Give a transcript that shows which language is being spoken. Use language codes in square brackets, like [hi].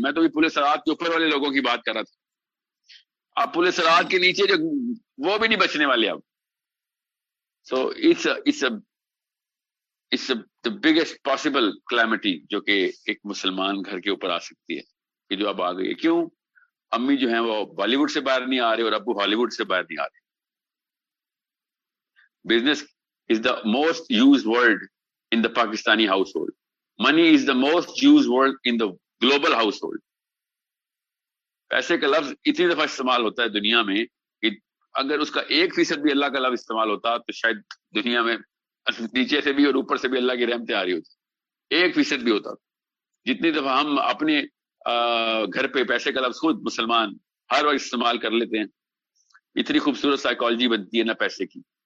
[ur] میں تو پورے سرحد کے اوپر والے لوگوں کی بات کر رہا تھا, اب پورے سرحد کے نیچے جو وہ بھی نہیں بچنے والے اب. [en] so it's the biggest possible calamity [ur] جو کہ ایک مسلمان گھر کے اوپر آ سکتی ہے, کہ جو اب آ گئی ہے. کیوں؟ امی جو ہیں وہ بالی ووڈ سے باہر نہیں آ رہے اور ابو ہالی ووڈ سے باہر نہیں آ رہے. [en] Business is the most use word in the Pakistani household, money is the most use word in the global household. [ur] پیسے کا لفظ اتنی دفعہ استعمال ہوتا ہے دنیا میں کہ اگر اس کا 1% بھی اللہ کا لفظ استعمال ہوتا تو شاید دنیا میں نیچے سے بھی اور اوپر سے بھی اللہ کی رحمتیں آ رہی ہوتی, 1% بھی ہوتا. جتنی دفعہ ہم اپنے گھر پہ پیسے کا لفظ خود مسلمان ہر وقت استعمال کر لیتے ہیں, اتنی خوبصورت سائیکالوجی بنتی ہے نا پیسے کی.